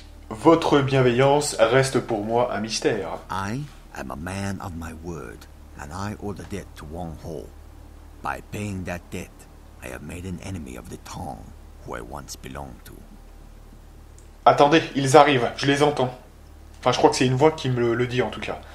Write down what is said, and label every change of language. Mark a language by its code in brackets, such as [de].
[fr] Votre bienveillance reste pour moi un mystère. [en] I am a man of my word, and I owe the debt to Wong Ho. By paying that debt, I have made an enemy of the Tong who I once belonged to. [fr] Attendez, ils arrivent, je les entends. Enfin, je crois que c'est une voix qui me le dit en tout cas.